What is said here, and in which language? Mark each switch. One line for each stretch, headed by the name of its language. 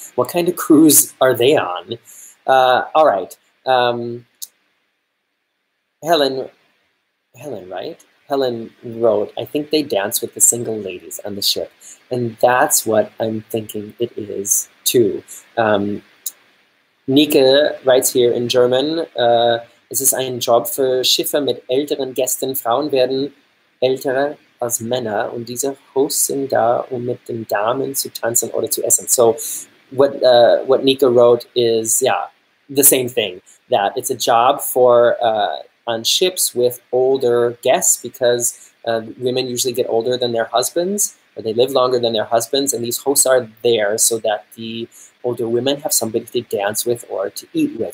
English: What kind of cruise are they on? All right, Helen, right? Helen wrote, I think they dance with the single ladies on the ship. And that's what I'm thinking it is, too. Nika writes here in German,
German: es ist ein Job für Schiffe mit älteren Gästen. Frauen werden älter als Männer. Und diese Hosts sind da, um mit den Damen zu tanzen oder zu essen.
English: So what Nika wrote is, yeah, the same thing. That it's a job for on ships with older guests, because women usually get older than their husbands, or they live longer than their husbands, and these hosts are there so that the older women have somebody to dance with or to eat with.